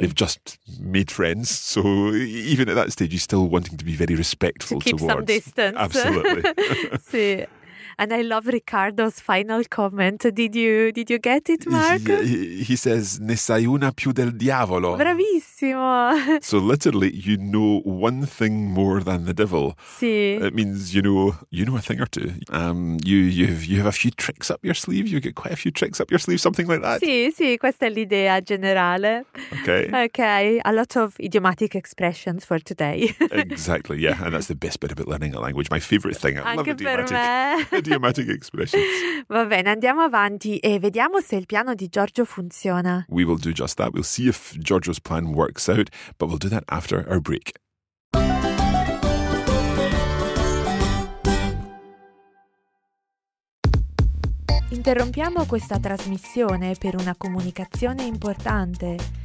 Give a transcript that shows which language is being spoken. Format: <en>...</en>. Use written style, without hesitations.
<en>They've just made friends, so even at that stage he's still wanting to be very respectful to keep towards. Some distance. Absolutely. Sì. And I love Riccardo's final comment. Did you get it, Mark? He says,</en> <it>ne sai una più del diavolo. Bravissimo.</it> <en>So literally, you know one thing more than the devil.</en> <it>Sì.</it> <en>It means you know a thing or two. You have a few tricks up your sleeve. You get quite a few tricks up your sleeve, something like that.</en> <it>Sì, sì, questa è l'idea generale.</it> <en>Okay. Okay, a lot of idiomatic expressions for today. Exactly, yeah. And that's the best bit about learning a language. My favorite thing. I</en> <it>anche</it> <en>love</en> <it>per me.</it> <en>Idiomatic expressions.</en> <it>Va bene, andiamo avanti e vediamo se il piano di Giorgio funziona.</it> <en>We will do just that. We'll see if Giorgio's plan works out, but we'll do that after our break.</en> <it>Interrompiamo questa trasmissione per una comunicazione importante.</it>